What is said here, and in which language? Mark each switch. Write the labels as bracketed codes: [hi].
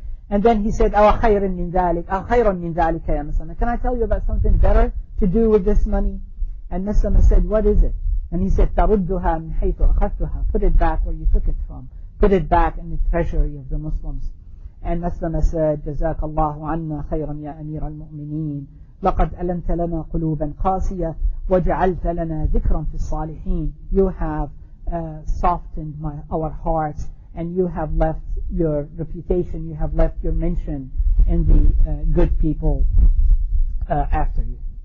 [en] And then he said, [ar] أَوَخَيْرٌ مِّنْ ذَلِكَ, أَخَيْرٌ مِّنْ ذَلِكَ يَا مَسَلَمَ. [en] Can I tell you about something better to do with this money? And Maslama said, what is it? And he said, [ar] تَرُدُّهَا مِنْ حَيْثُ أَخَذْتُهَا. [en] Put it back where you took it from. Put it back in the treasury of the Muslims. And Maslama said, [ar] جزاك الله عنا خيرا يا أمير المؤمنين. لقد ألمت لنا قلوبا قاسية وجعلت لنا ذكرا في الصالحين. [en] You have softened our hearts and you have left your reputation, you have left your mention in the good people after you.